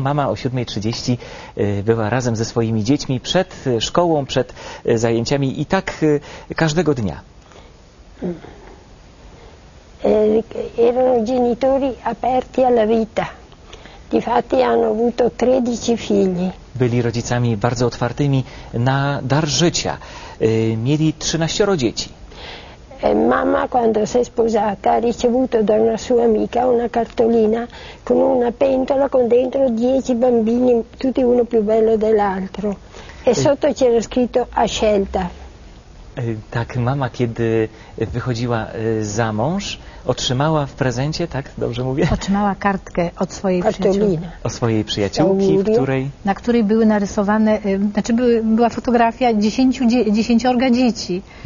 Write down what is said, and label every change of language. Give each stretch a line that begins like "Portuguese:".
Polish: Mama o 7:30 była razem ze swoimi dziećmi przed szkołą, przed zajęciami i tak każdego dnia.
Italian: Erano genitori aperti alla vita. Difatti hanno avuto 13 figli.
Polish: Byli rodzicami bardzo otwartymi na dar życia. Mieli 13 dzieci.
Italian: Mamma, quando si è sposata, ha ricevuto da una sua amica una cartolina con una pentola con dentro 10 bambini, tutti uno più bello dell'altro. E sotto c'era scritto a scelta.
Polish: Tak, mama, kiedy wychodziła za mąż, otrzymała w prezencie, tak, dobrze mówię? Otrzymała kartkę od swojej przyjaciółki, na której były narysowane, znaczy była fotografia 10 dzieci.